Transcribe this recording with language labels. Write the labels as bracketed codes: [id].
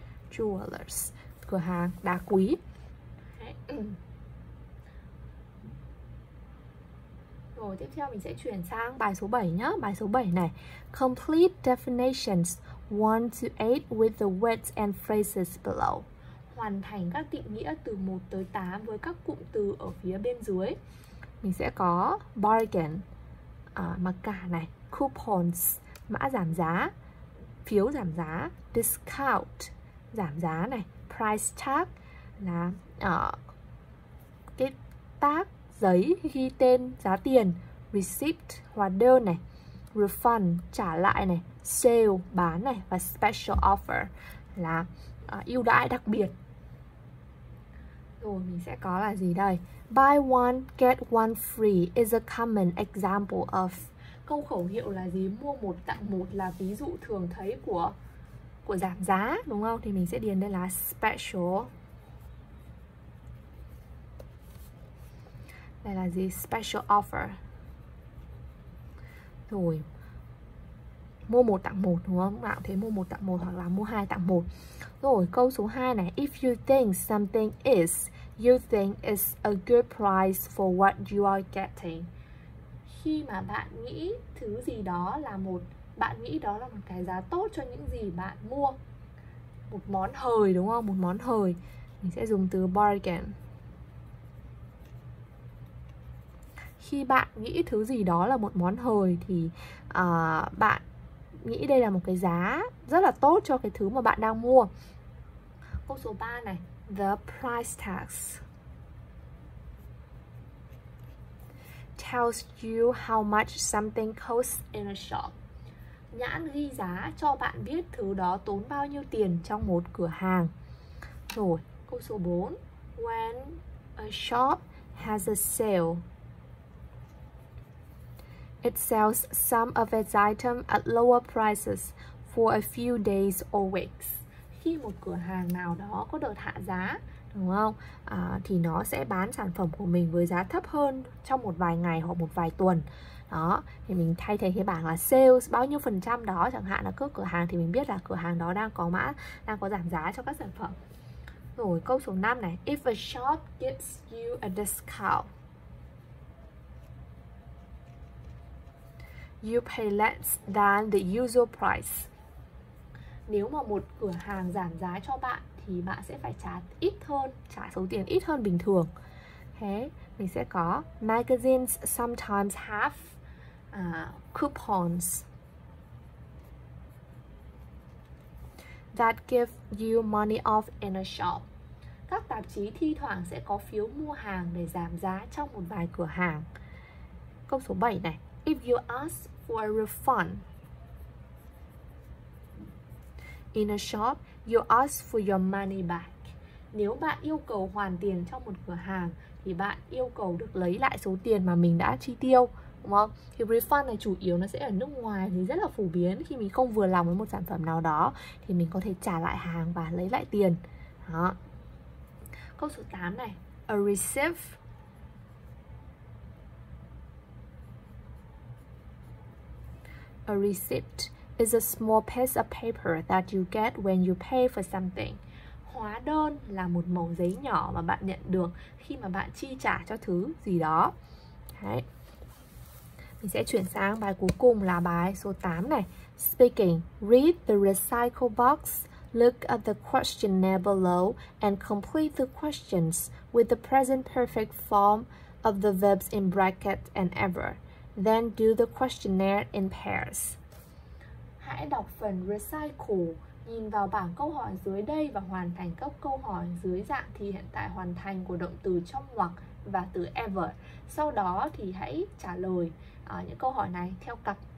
[en] Jewelers, [vi] cửa hàng đá quý. Rồi Rồi, tiếp theo mình sẽ chuyển sang bài số 7 nhé. Bài số 7 này. [en] Complete definitions 1 to 8 with the words and phrases below. [vi] Hoàn thành các định nghĩa từ 1 tới 8 với các cụm từ ở phía bên dưới. Mình sẽ có bargain, mặc cả này, coupons, mã giảm giá, phiếu giảm giá, discount, giảm giá này, price tag, là cái tag giấy ghi tên giá tiền, receipt, hóa đơn này, refund, trả lại này, sale, bán này, và special offer, là ưu đãi đặc biệt. Rồi mình sẽ có là gì đây? [en] Buy one, get one free is a common example of. [vi] Câu khẩu hiệu là gì? Mua một tặng một là ví dụ thường thấy của giảm giá, đúng không? Thì mình sẽ điền đây là special. Đây là gì? Special offer. Rồi. Mua một tặng một, đúng không? Bạn thấy mua một tặng một hoặc là mua hai tặng một. Rồi, câu số 2 này. [en] If you think something is, you think it's a good price for what you are getting. [vi] Khi mà bạn nghĩ thứ gì đó là một, bạn nghĩ đó là một cái giá tốt cho những gì bạn mua. Một món hời, đúng không? Một món hời. Mình sẽ dùng từ bargain. Khi bạn nghĩ thứ gì đó là một món hời thì bạn nghĩ đây là một cái giá rất là tốt cho cái thứ mà bạn đang mua. Câu số 3 này, [en] the price tag tells you how much something costs in a shop. [vi] Nhãn ghi giá cho bạn biết thứ đó tốn bao nhiêu tiền trong một cửa hàng. Rồi, câu số 4, [en] when a shop has a sale, it sells some of its items at lower prices for a few days or weeks. [vi] Khi một cửa hàng nào đó có đợt hạ giá, đúng không? Thì nó sẽ bán sản phẩm của mình với giá thấp hơn trong một vài ngày hoặc một vài tuần. Đó, thì mình thay thế cái bảng là sales bao nhiêu phần trăm đó, chẳng hạn là cửa hàng thì mình biết là cửa hàng đó đang có mã, đang có giảm giá cho các sản phẩm. Rồi, câu số 5 này, [en] if a shop gives you a discount, you pay less than the usual price. [vi] Nếu mà một cửa hàng giảm giá cho bạn thì bạn sẽ phải trả ít hơn, trả số tiền ít hơn bình thường. Thế mình sẽ có [en] magazines sometimes have coupons that give you money off in a shop. [vi] Các tạp chí thi thoảng sẽ có phiếu mua hàng để giảm giá trong một vài cửa hàng. Câu số 7 này, [en] if you ask for a refund in a shop, you ask for your money back. [vi] Nếu bạn yêu cầu hoàn tiền trong một cửa hàng thì bạn yêu cầu được lấy lại số tiền mà mình đã chi tiêu, đúng không? Thì refund này chủ yếu nó sẽ ở nước ngoài thì rất là phổ biến. Khi mình không vừa lòng với một sản phẩm nào đó thì mình có thể trả lại hàng và lấy lại tiền. Đó. Câu số 8 này, [en] a receipt is a small piece of paper that you get when you pay for something. [vi] Hóa đơn là một mẩu giấy nhỏ mà bạn nhận được khi mà bạn chi trả cho thứ gì đó. Đấy. Mình sẽ chuyển sang bài cuối cùng là bài số 8 này. [en] Speaking, read the recycle box, look at the questionnaire below and complete the questions with the present perfect form of the verbs in bracket and ever. Then do the questionnaire in pairs. [vi] Hãy đọc phần recycle, nhìn vào bảng câu hỏi dưới đây và hoàn thành các câu hỏi dưới dạng thì hiện tại hoàn thành của động từ trong ngoặc và từ ever. Sau đó thì hãy trả lời những câu hỏi này theo cặp.